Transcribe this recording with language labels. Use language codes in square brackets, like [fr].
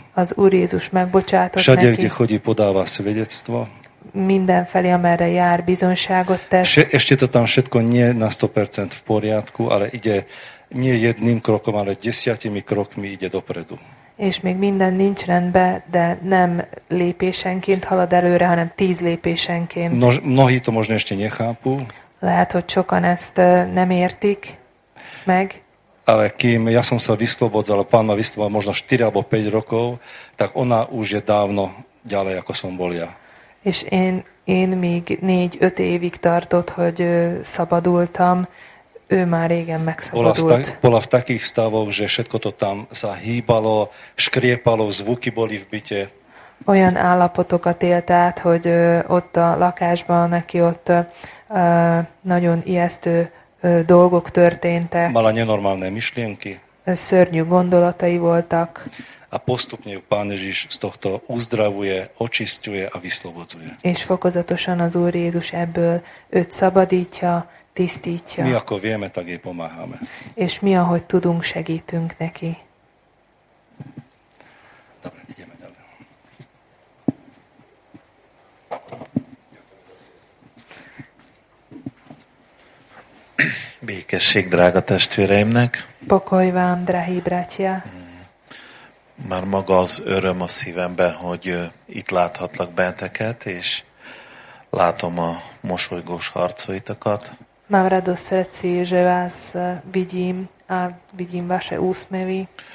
[hu] Az Úr Jézus megbocsátott neki. [sk] Všade, kde chodí, podáva svedectvo. [hu] Mindenfelé, amerre jár, bizonyságot tesz. [sk] Ešte to tam všetko nie na 100% v poriadku, ale ide nie jedným krokom, ale desiatimi krokmi ide dopredu. [hu] És még minden nincs rendben, de nem lépésenként halad előre, hanem 10 lépésenként. [sk] Mnohí to možno ešte nechápu. [hu] Lehet, hogy sokan ezt nem értik meg. [sk] Ale kým ja som sa vyslobodzal, Pán ma vyslobodzal možno 4 alebo 5 rokov, tak ona už je dávno ďalej, ako som bol ja. [hu] És én még 4-5 évig tartott, hogy szabadultam, ő már régen megszabadult. [sk] Bola v takých stavoch, že všetko to tam sa hýbalo, škriepalo, zvuky boli v byte. [hu] Olyan állapotokat élt át, hogy ott a lakásban neki ott nagyon ijesztő dolgok történtek. [sk] Mala nenormálne myšlienky. [hu] Szörnyű gondolatai voltak. [sk] A postupne ju Pán Ježiš z tohto uzdravuje, očisťuje a vyslobodzuje. [hu] És fokozatosan az Úr Jézus ebből őt szabadítja, tisztítja. [sk] Mi ako vieme, tak jej pomáhame. [hu] És mi, ahogy tudunk, segítünk neki. Békesség, drága testvéreimnek. [sk] Pokoj vám, drahí bratia. [hu] Már maga az öröm a szívemben, hogy itt láthatlak benteket, és látom a mosolygós harcaitokat. [sk] Mám radosť srdci, že vás vidím a vidím vaše úsmevy.